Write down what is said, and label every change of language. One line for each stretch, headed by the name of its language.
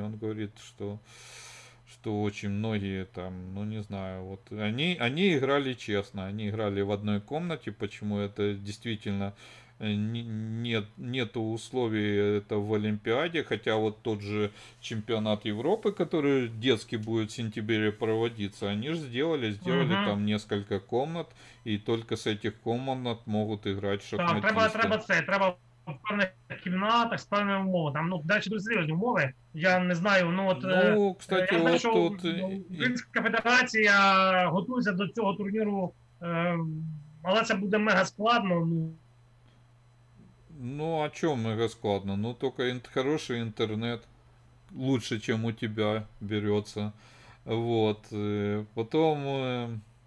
Russian: Он говорит, что очень многие там, ну не знаю, вот они играли честно, они играли в одной комнате, почему это действительно нету условий это в Олимпиаде, хотя вот тот же чемпионат Европы, который детский будет в сентябре проводиться, они же сделали там несколько комнат, и только с этих комнат могут играть шахматисты.
Ukrainian: Треба в певних кімнатах, з певними умовами. Там, ну, далі дуже серйозні умови. Я не знаю. Ну, от,
Russian: ну кстати,
Ukrainian: я знаю, от що тут Українська федерація готується до цього турніру, але це буде мега складно. Ну, а чому мега складно? Ну, тільки хороший інтернет.
Russian: Лучше, чем у тебя берется. Вот. Потом.